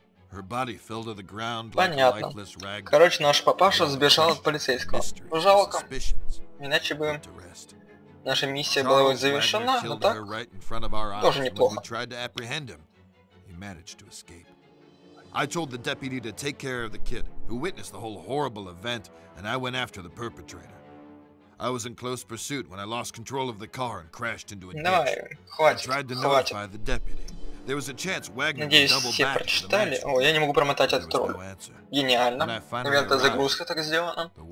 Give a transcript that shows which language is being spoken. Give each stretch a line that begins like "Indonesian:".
English: Her body fell to the ground like a lifeless rag.
Russian: Короче, наш папаша сбежал от полицейского. Жалко. Иначе бы наша миссия была бы завершена, но так
English: right in front of our eyes.
Russian: Тоже неплохо.
English: We tried to apprehend him. He managed to escape. I told the deputy to take care of the kid who witnessed the whole horrible event, and I went after the perpetrator. I was in close pursuit when I lost control of the car and crashed into a ditch. I tried to notify the deputy. There was a chance Wagner would double back.
Russian: Надеюсь, все прочитали. О, я не могу промотать этот ролик. Гениально. Наверное, это загрузка так сделана.